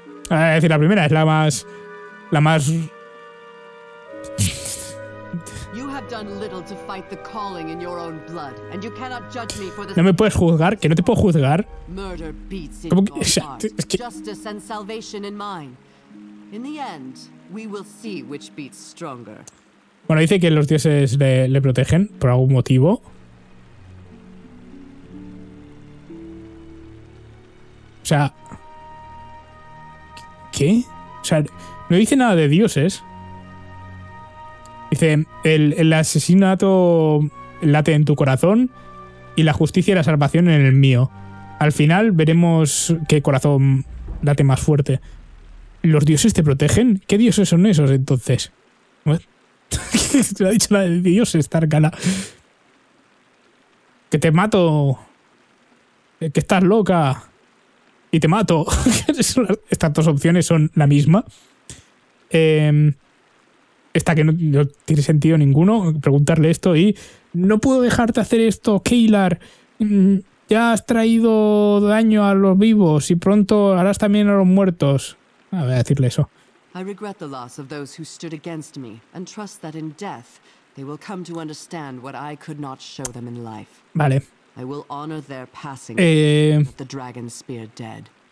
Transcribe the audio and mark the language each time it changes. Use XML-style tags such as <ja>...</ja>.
<es>Es decir, la primera es la más. No me puedes juzgar, que no te puedo juzgar. ¿Cómo que? O sea, es que...</es> <en>Justice and salvation in mine. In the end, we will see which beats stronger.</en> <es>Bueno, dice que los dioses le protegen por algún motivo. O sea, ¿qué? O sea, no dice nada de dioses. Dice, el asesinato late en tu corazón y la justicia y la salvación en el mío. Al final veremos qué corazón late más fuerte. ¿Los dioses te protegen? ¿Qué dioses son esos entonces? Te ha dicho la de dioses, Tarkana. Que te mato. Que estás loca. Y te mato. Estas dos opciones son la misma. Esta que no tiene sentido ninguno, preguntarle esto y... No puedo dejarte hacer esto, Kaelar. Ya has traído daño a los vivos y pronto harás también a los muertos. Ah, voy a decirle eso.</es> <en>I regret the loss of those who stood against me and trust that in death they will come to understand what I could not show them in life.</en> <es>Vale.</es> <en>I will honor their passing the dragon spear dead.</en>